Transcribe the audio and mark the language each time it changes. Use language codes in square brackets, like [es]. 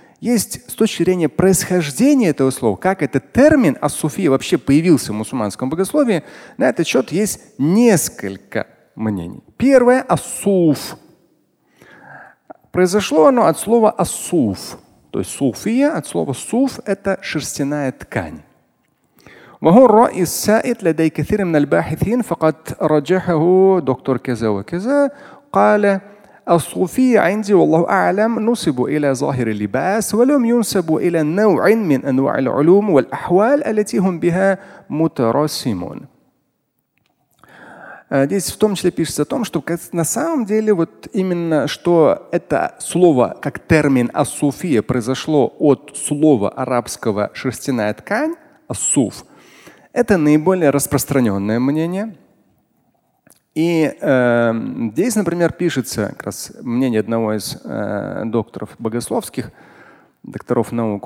[ru] Есть с точки зрения происхождения этого слова, как этот термин ас-суфия вообще появился в мусульманском богословии, на этот счет есть несколько мнений. Первое – ас-суф. Произошло оно от слова ас-суф. То есть суфия от слова суф – это шерстяная ткань. [ar] وهو الرأي السائد لدى كثير من الباحثين فقد رجحه دكتور كذا وكذا قال الصوفية عندي والله أعلم نسب إلى ظاهر اللباس ولم ينسب إلى نوع من أنواع العلوم والأحوال التي هم بها مترسمون. [ru] Здесь в том числе пишется о том, что на самом деле вот именно что это слово как термин ас-суфия произошло от слова арабского шерстяная ткань ас-суф. Это наиболее распространенное мнение. И здесь, например, пишется как раз мнение одного из докторов богословских, докторов наук.